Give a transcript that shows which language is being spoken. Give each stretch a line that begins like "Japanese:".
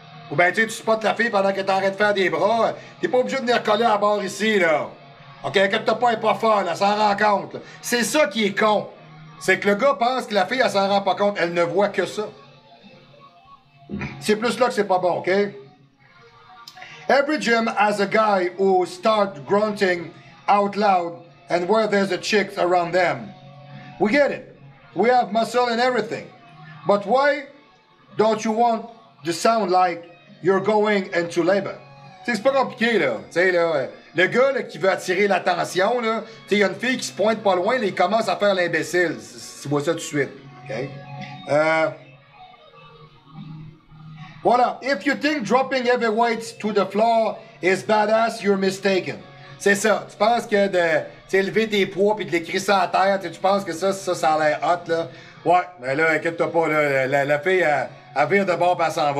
French: Ou bien, tu sais, tu spots la fille pendant qu'elle t'arrête de faire des bras. T'es pas obligé de venir coller à la barre ici, là. OK? Quand t'as pas, elle est pas folle, elle s'en rend compte. Là. C'est ça qui est con. C'est que le gars pense que la fille, elle s'en rend pas compte. Elle ne voit que ça. C'est plus là que c'est pas bon, OK?
English: Every gym has a guy who starts grunting out loud and where there's a chick around them. We get it. We have muscle and everything. But why don't you want to sound like you're going into labor.
French: T'sais, c'est pas compliqué, là. T'sais, là, le gars là, qui veut attirer l'attention, là, t'sais, il y a une fille qui se pointe pas loin, là, il commence à faire l'imbécile. Tu vois ça tout de suite. OK? Voilà.
English: If you think dropping heavy weights to the floor is badass, you're mistaken.
French: C'est ça. Tu penses que de t'élever des poids puis de les crisser à terre, t'sais, tu penses que ça a l'air hot, là. Ouais, mais là, inquiète-toi pas, là. La fille, elle vire de bord, puis elle s'en va.